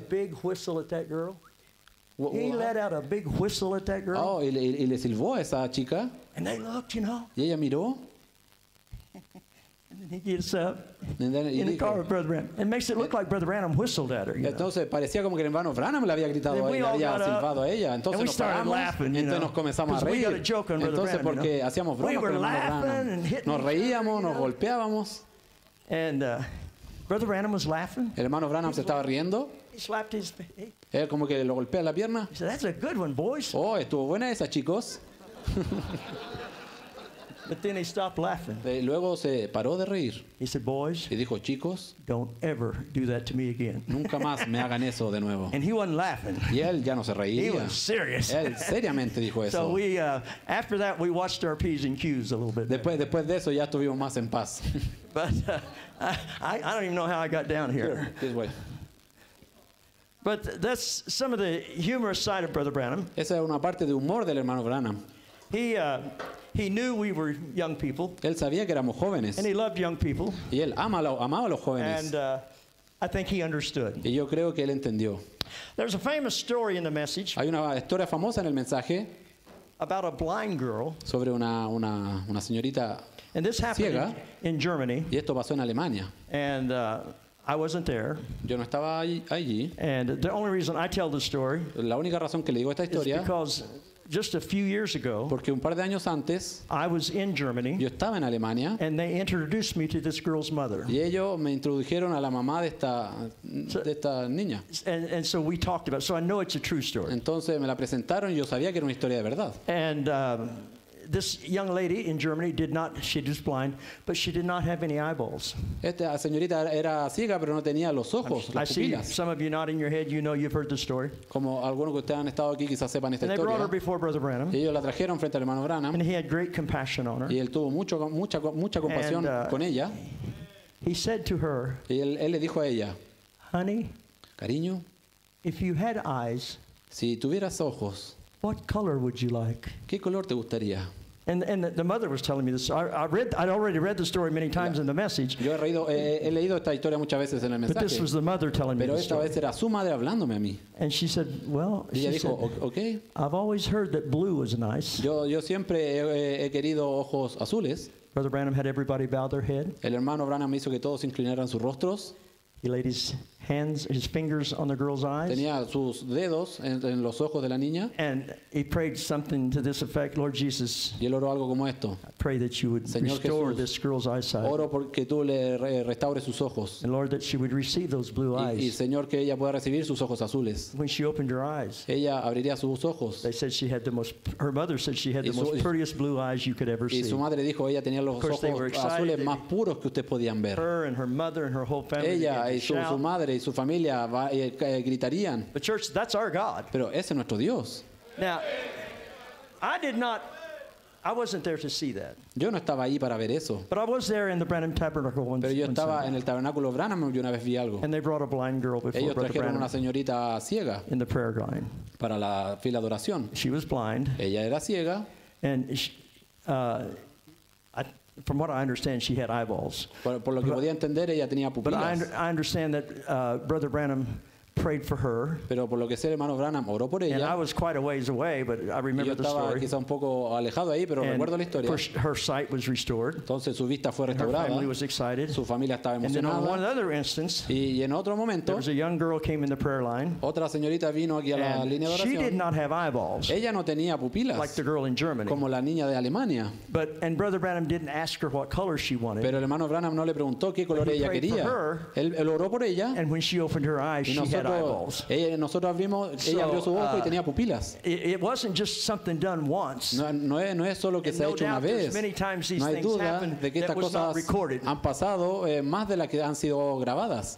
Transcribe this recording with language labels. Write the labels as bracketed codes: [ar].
[en] let out a big whistle at that girl. He let out a big whistle at that girl. [es] Oh, y le silbó a esa chica. [en] And they looked, you know. [es] Y ella miró. [en] And he gets up in the car with Brother Branham. It makes it look like Brother Branham whistled at her. [es] Entonces parecía como que el hermano Branham le había gritado y le había silbado a ella. Entonces [en] we started laughing. [es] Entonces nos comenzamos a reír. [en] We got a joke on Brother Branham. [es] Entonces porque hacíamos bromas con el hermano Branham. Nos reíamos, nos golpeábamos. [en] And Brother Branham was laughing. [es] El hermano Branham se estaba riendo. [en] He slapped his face. [es] Él como que lo golpea la pierna. [en] He said, "That's a good one, boys." [es] Oh, estuvo buena esa, chicos. [en] But then he stopped laughing. [es] Luego se paró de reír. [en] He said, "Boys." [es] Y dijo, "Chicos." [en] "Don't ever do that to me again." [es] Nunca más me hagan eso de nuevo. [en] And he wasn't laughing. [es] Y él ya no se reía. [en] He was serious. [es] Él seriamente dijo eso. [en] So we, after that, we watched our P's and Q's a little bit. [es] Después de eso ya estuvimos más en paz. [en] But I don't even know how I got down here. This way. But that's some of the humorous side of Brother Branham. [es] Esa es una parte de humor del hermano Branham. [en] He knew we were young people. [es] Él sabía que éramos jóvenes. [en] And he loved young people. [es] Y él amaba a los jóvenes. [en] And I think he understood. [es] Y yo creo que él entendió. [en] There's a famous story in the message. [es] Hay una historia famosa en el mensaje. [en] About a blind girl. [es] Sobre una señorita ciega. [en] And this happened in Germany. [es] Y esto pasó en Alemania. [en] And I wasn't there. [es] Yo no estaba allí. [en] And the only reason I tell the story. [es] La única razón que le digo esta historia. [en] Is because just a few years ago, [es] porque un par de años antes, [en] I was in Germany, [es] yo estaba en Alemania, [en] and they introduced me to this girl's mother. [es] Y ellos me introdujeron a la mamá de esta niña. [en] And so we talked about it. So I know it's a true story. [es] Entonces me la presentaron y yo sabía que era una historia de verdad. [en] And this young lady in Germany she was blind, but she did not have any eyeballs. [es] Esta señorita era ciega, pero no tenía los ojos, las pupilas. [en] I see some of you nodding your head, you know you've heard the story. [es] Como algunos que ustedes han estado aquí quizás sepan esta historia. [en] And they brought her before Brother Branham. [es] Y ellos la trajeron frente al hermano Branham. [en] And he had great compassion on her. [es] Y él tuvo mucha compasión con ella. [en] He said to her, [es] y él le dijo a ella, [en] Honey, [es] cariño, [en] if you had eyes, [es] si tuvieras ojos, [en] what color would you like? [es] ¿Qué color te gustaría? [en] And the mother was telling me this. I'd already read the story many times in the message. [es] Yo he leído esta historia muchas veces en el mensaje. [en] But this was the mother telling me this. [es] Pero esta vez era su madre hablándome a mí. [en] And she said, "Well, okay. I've always heard that blue was nice." [es] Yo siempre he querido ojos azules. [en] Brother Branham had everybody bow their head. [es] El hermano Branham hizo que todos inclinaran sus rostros. [en] He laid his hands, his fingers on the girl's eyes. [es] Tenía sus dedos en los ojos de la niña. [en] And he prayed something to this effect, Lord Jesus. [es] Y él oró algo como esto. [en] I pray that you would restore this girl's eyesight. [es] Oro porque tú le restaures sus ojos. [en] And Lord, that she would receive those blue eyes. [es] Y Señor, que ella pueda recibir sus ojos azules. [en] When she opened her eyes, [es] ella abriría sus ojos. [en] They said she had the most. Her mother said she had the most prettiest blue eyes you could ever see. [es] Y su madre dijo ella tenía los ojos azules más puros que ustedes podían ver. [en] Her and her mother and her whole family. [es] Ella y su madre. Su familia gritarían. [en] But church, that's our God. [es] Pero ese es nuestro Dios. [en] Now, I wasn't there to see that. [es] Yo no estaba ahí para ver eso. [en] But I was there in the Branham tabernacle once. [es] Pero yo estaba en el tabernáculo Branham y una vez vi algo. [en] And they brought a blind girl before [es] Ellos trajeron una señorita ciega. [en] In the prayer line. [es] Para la fila de oración. [en] She was blind. [es] Ella era ciega. [en] And from what I understand, she had eyeballs. [es] Por lo que podía entender, ella tenía pupilas. [en] But I understand that Brother Branham prayed for her. [es] Pero por lo que sé, hermano Branham oró por ella. [en] And I was quite a ways away, but I remember the story. [es] Yo estaba quizá un poco alejado ahí, pero recuerdo la historia. [en] Her sight was restored. [es] Entonces su vista fue restaurada. [en] Her family was excited. [es] Su familia estaba emocionada. [en] And then on one other instance, [es] y en otro momento, [en] there was a young girl came in the prayer line. [es] Otra señorita vino aquí a la línea de oración. [en] She did not have eyeballs. [es] Ella no tenía pupilas. [en] Like the girl in Germany. [es] Como la niña de Alemania. [en] But and Brother Branham didn't ask her what color she wanted. [es] Pero el hermano Branham no le preguntó qué color ella quería. [en] He prayed for her. [es] Él oró por ella. [en] And when she opened her eyes, she had [es] Nosotros abrimos, ella abrió su ojo y tenía pupilas. [en] It wasn't just something done once. [es] No es solo que se ha hecho una vez. No hay duda de que estas cosas han pasado más de las que han sido grabadas.